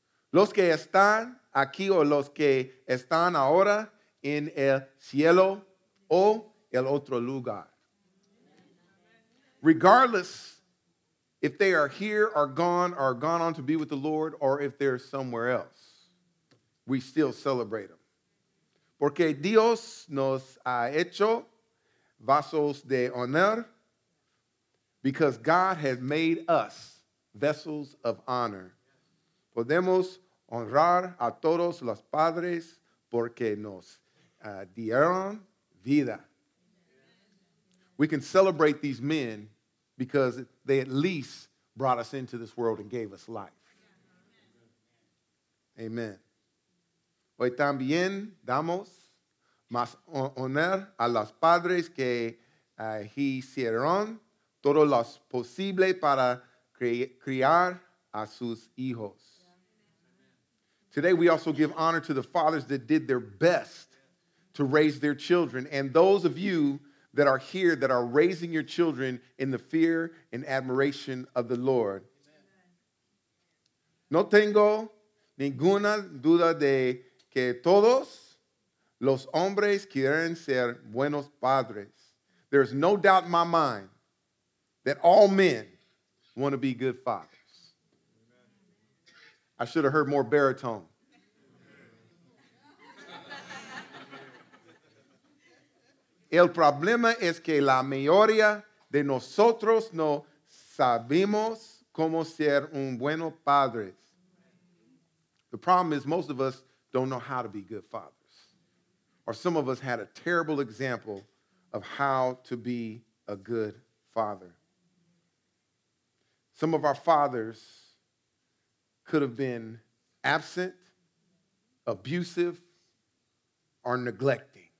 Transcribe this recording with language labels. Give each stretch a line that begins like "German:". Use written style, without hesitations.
Spanish: Los que están aquí o los que están ahora en el cielo o el otro lugar.
English: Regardless if they are here or gone on to be with the Lord, or if they're somewhere else, we still celebrate them.
Spanish: Porque Dios nos ha hecho vasos de honor,
English: because God has made us vessels of honor.
Spanish: Podemos honrar a todos los padres porque nos dieron vida.
English: We can celebrate these men because they at least brought us into this world and gave us life. Amen.
Spanish: Hoy también damos más honor a los padres que hicieron todo lo posible para criar a sus hijos.
English: Today we also give honor to the fathers that did their best to raise their children. And those of you that are here that are raising your children in the fear and admiration of the Lord.
Spanish: No tengo ninguna duda de que todos los hombres quieren ser buenos padres.
English: There is no doubt in my mind that all men want to be good fathers. I should have heard more baritone.
Spanish: El problema es que la mayoría de nosotros no sabemos cómo ser un buen padre.
English: The problem is most of us don't know how to be good fathers. Or some of us had a terrible example of how to be a good father. Some of our fathers could have been absent, abusive, or neglected.